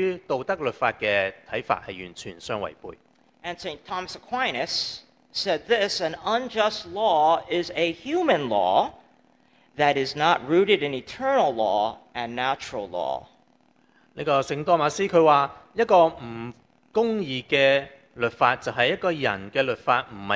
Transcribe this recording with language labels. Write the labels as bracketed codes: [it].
[zh] 这个是跟我们基督徒对于道德律法的看法是完全相违背。 [en] And St. Thomas Aquinas said this, an unjust law is a human law that is not rooted in eternal law and natural law. [zh] 这个圣多马斯他说一个不公义的 律法就是一个人的律法,